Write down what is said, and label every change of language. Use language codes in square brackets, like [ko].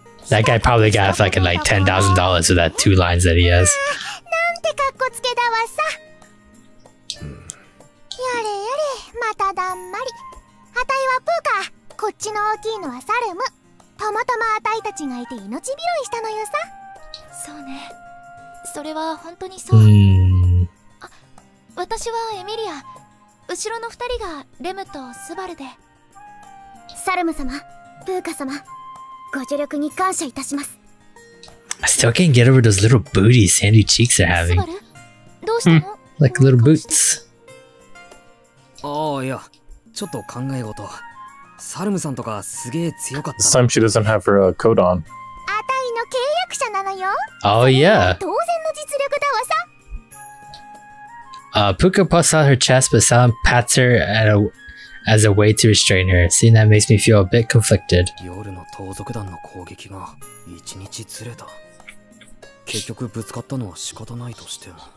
[en] That guy probably got fucking like $10,000 for that two lines that he has. [ja] なんてかっこつけだわさ。やれやれ、まただんまり。あたいはプーカ。こっちの大きいのはサルム。たまたまあたいたちがいて命拾いしたのよさ。そうね。それは本当にそう。あ、私はエミリア。後ろの二人がレムとスバルで。サルム様、プーカ様。ご助力に感謝いたします。 [en] I still can't get over those little booties Sandy Cheeks are having. [ja] どうしたの？ [en] Like little boots. [ja] ああ、いや、ちょっと考え事。サルムさんとかすげえ強かった。 [en] This time she doesn't have her coat on. [ja] あたいの契約者なのよ。 [en] Oh yeah. [ja] 当然の実力だわさ。 [en] Puka puffs out her chest, but Salam pats her as a way to restrain her, seeing that makes me feel a bit conflicted. [ja] 夜の盗賊団の攻撃が1日ずれた。結局ぶつかったのは仕方ないとしても。